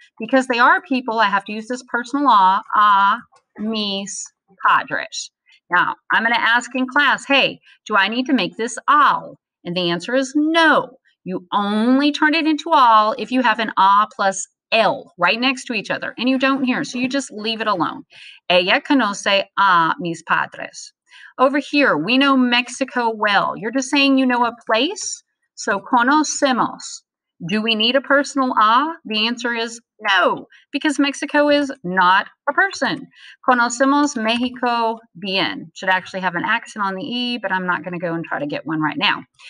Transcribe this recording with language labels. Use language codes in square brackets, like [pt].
[en] Because they are people, I have to use this personal a, [es] mis padres. [en] Now, I'm going to ask in class, hey, do I need to make this al? And the answer is no. You only turn it into all if you have an A plus L right next to each other, and you don't here, so you just leave it alone. [es] Ella conoce a mis padres. [en] Over here, we know Mexico well. You're just saying you know a place, so conocemos. Do we need a personal A? The answer is no, because Mexico is not a person. [es] Conocemos México bien. [en] Should actually have an accent on the E, but I'm not going to go and try to get one right now.